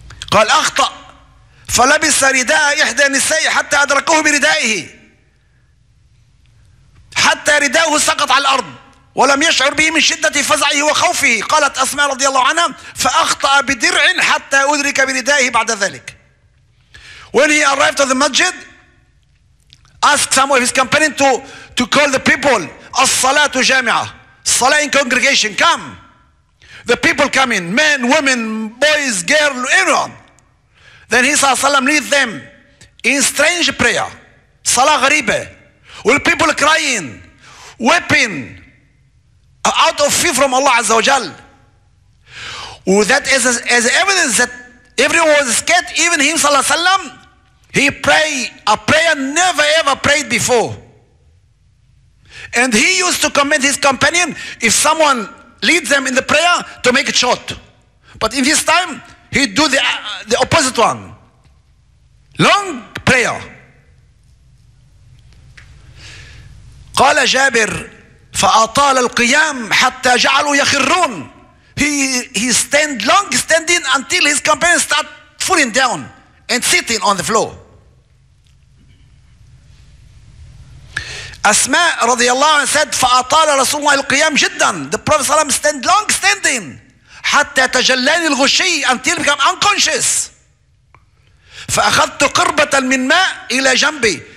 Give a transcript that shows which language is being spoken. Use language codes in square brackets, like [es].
[ar] قال أخطأ فلبس رداء إحدى نسائه حتى أدركه بردائه. حتى رداءه سقط على الأرض. ولم يشعر به من شدة فزعه وخوفه. قالت أسماء رضي الله عنها فأخطأ بدرع حتى أدرك بردائه بعد ذلك. [en] When he arrived to the masjid, asked some of his companions to call the people. [ar] الصلاة جامعة. [en] الصلاة in congregation. Come. The people coming. Men, women, boys, girls, everyone. Then he صلى الله عليه وسلم lead them in strange prayer. [ar] صلاة غريبة. [en] With people crying. Weeping. Out of fear from Allah Azza wa Jal. That is as evidence that everyone was scared, even him صلى الله عليه وسلم. He pray a prayer never ever prayed before. And he used to command his companion if someone leads them in the prayer to make it short. But in this time, he do the opposite one. Long prayer. [ar] قال جابر فأطال القيام حتى جعلوا يخرون. [en] He standing until his companions start falling down and sitting on the floor. [ar] أسماء رضي الله عنها said فأطال رسول الله القيام جدا. [en] The Prophet صلى الله عليه وسلم stand long standing [ar] حتى تجلاني الغشي [en] until become unconscious. [ar] فأخذت قربة من ماء إلى جنبي.